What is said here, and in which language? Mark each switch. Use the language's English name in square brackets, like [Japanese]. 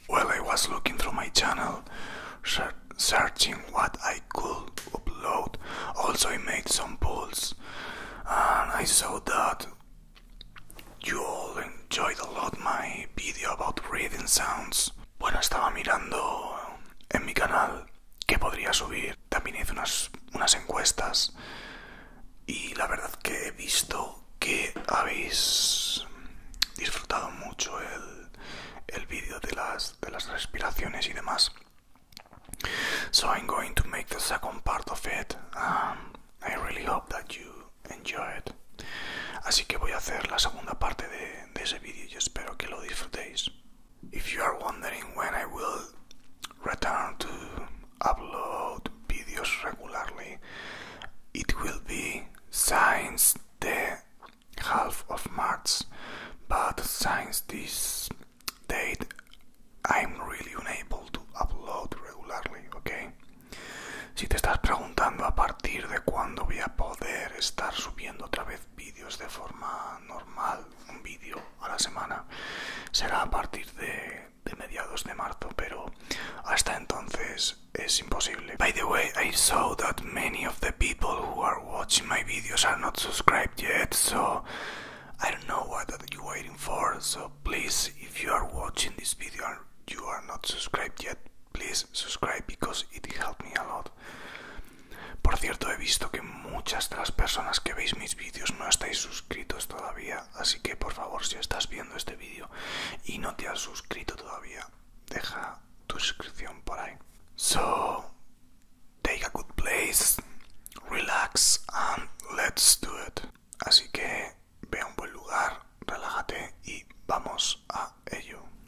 [English] Well, I was looking through my channel, searching what I could upload. Also, I made some polls and I saw that you all enjoyed a lot my video about reading sounds. [Spanish] Bueno, estaba mirando en mi canal qué podría subir. También hice unas encuestas y la verdad que he visto que habéis disfrutado mucho el vídeo de las respiraciones y demás. [English] So I'm going to make the second part of it. I really hope that you enjoy it. [Spanish] Así que voy a hacer la segunda parte de ese vídeo y espero que lo disfrutéis. [English] If you are wondering when I will return to upload videos regularly, it will be since the half of March, but since this date I'm really unable to upload regularly, okay? [Spanish] Si te estás preguntando a partir de cuándo voy a poder estar subiendo otra vez vídeos de forma normal, un vídeo a la semana, será a partir de mediados de marzo, pero hasta entonces es imposible. [English] By the way, I saw that many of the people who are watching my videos are not subscribed yet, so I don't know what are you waiting for, so please, if you are watching this video and you are not subscribed yet, please subscribe because it helped me a lot. [Spanish] Por cierto, he visto que muchas de las personas que veis mis vídeos no estáis suscritos todavía, así que por favor, si estás viendo este vídeo y no te has suscrito todavía, deja tu suscripción por ahí. [English] So, take a good place, relax and let's do it. [Spanish] Así que ve a un buen lugar, relájate y vamos a ello.